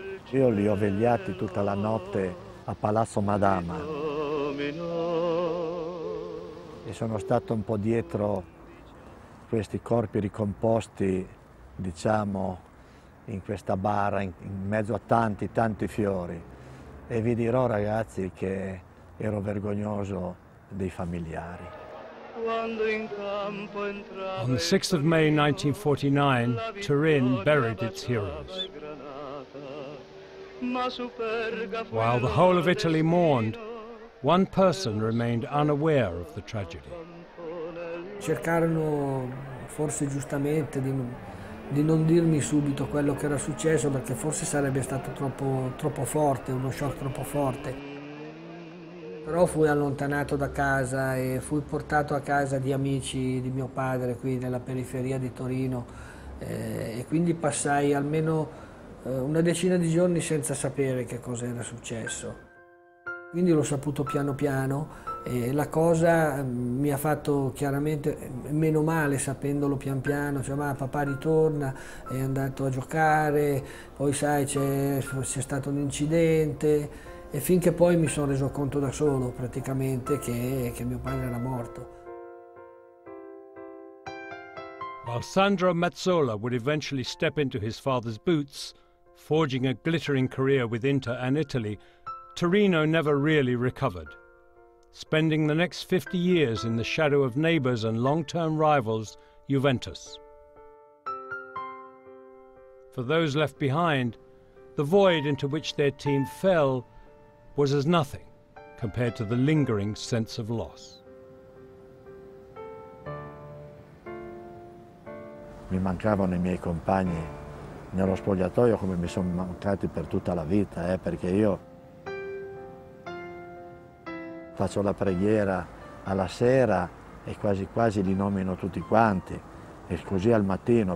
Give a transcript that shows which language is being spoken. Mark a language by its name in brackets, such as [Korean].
[Italian] Io li ho vegliati tutta la notte a Palazzo Madama e sono stato un po' dietro questi corpi ricomposti, diciamo, in questa bara, in mezzo a tanti, tanti fiori. E vi dirò, ragazzi, che ero vergognoso dei familiari. [English] On the 6th of May 1949, Turin buried its heroes. While the whole of Italy mourned, one person remained unaware of the tragedy. [Italian] Cercarono forse giustamente di non dirmi subito quello che era successo, perché forse sarebbe stato troppo forte, uno shock troppo forte. Però fui allontanato da casa e fui portato a casa di amici di mio padre qui nella periferia di Torino, e quindi passai almeno una decina di giorni senza sapere che cosa era successo. Quindi l'ho saputo piano piano e la cosa mi ha fatto chiaramente meno male sapendolo pian piano, cioè ma papà ritorna, è andato a giocare, poi sai c'è stato un incidente e finché poi mi sono reso conto da solo praticamente che mio padre era morto. [English] While Sandro Mazzola would eventually step into his father's boots, forging a glittering career with Inter and Italy, Torino never really recovered. Spending the next 50 years in the shadow of neighbors and long-term rivals, Juventus. For those left behind, the void into which their team fell was as nothing compared to the lingering sense of loss. [Italian] Mi mancavano I miei compagni nello spogliatoio come mi sono mancati per tutta la vita, perché io faccio la preghiera alla sera e quasi quasi li nomino tutti quanti, e così al mattino.